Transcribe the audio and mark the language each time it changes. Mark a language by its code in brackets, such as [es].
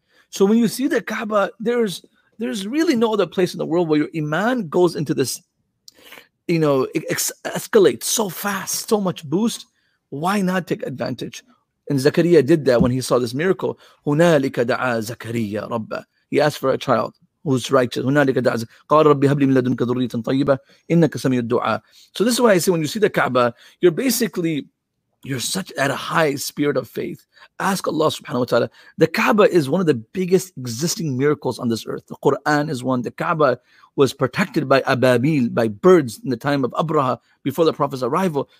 [en] So when you see the Kaaba, there's really no other place in the world where your iman goes into this, you know, escalates so fast, so much boost. Why not take advantage? And Zakariya did that when he saw this miracle. [ar] هُنَالِكَ دَعَى زَكَرِيَّ رَبَّهُ. [en] He asked for a child. who's righteous. [ar] هنالك دعز. قال ربي هب لي من لدنك ذرية طيبة إنك سميع الدعاء. [en] So this is why I say when you see the Kaaba, you're basically, you're such at a high spirit of faith. Ask Allah subhanahu wa ta'ala. The Kaaba is one of the biggest existing miracles on this earth. The Quran is one. The Kaaba was protected by Ababil, by birds in the time of Abraha before the Prophet's arrival.